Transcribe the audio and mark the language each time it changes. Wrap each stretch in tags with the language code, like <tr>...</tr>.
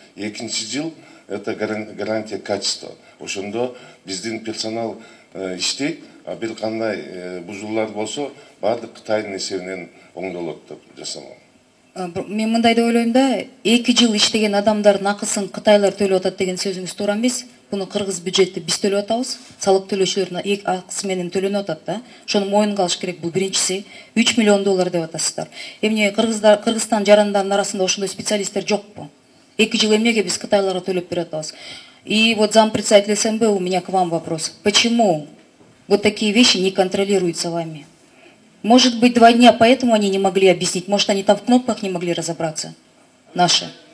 <ky>Экинчи жыл</ky> <ru>это гарантия качества.</ru> <ky>Ошондо биздин персонал иштейт, а бир кандай бузуулар болсо, бардык Кытайдын эсебинен оңдолот деп жасалган. Мен мындай деп ойлойм да, 2 жыл иштеген адамдардын акысын кытайлар төлөп атат деген сөзүңүз туура эмес. Буну кыргыз бюджетте биз төлөп атабыз, салык төлөөчүлөрдүн акысы менен төлөнүп атат да. Ошону моюнга алыш керек, бул биринчиси. 3 миллион доллар деп атасыздар. Эмне Кыргызстан жарандарынын арасында ошондой специалисттер жокпу? 2 жыл эмнеге биз кытайларга төлөп берип атабыз?</ky> <ru>И вот зампредседатель СНБ, у меня к вам вопрос. Почему вот такие вещи не контролируются вами? Может быть, 2 дня поэтому они не могли объяснить? Может, они там в кнопках не могли разобраться? Наши.</ru>